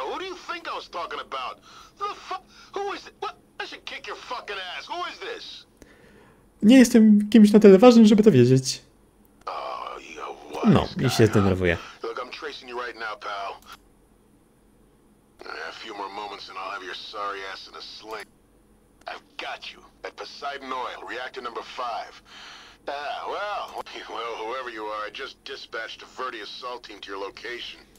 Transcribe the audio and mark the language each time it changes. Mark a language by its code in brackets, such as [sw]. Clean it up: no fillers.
[en] Who do you think I was talking about? The fuck? Who is it? What? I should kick your fucking ass. Who is this? [pl] Nie jestem kimś na tyle ważnym, żeby to wiedzieć. No, i się zdenerwuję. [en] Look, I'm tracing you right now, pal. A few more moments and I'll have your sorry ass in a sling. I've got you at Poseidon Oil, reactor number 5. Well, whoever you are, I just dispatched a Verde assault team to your location.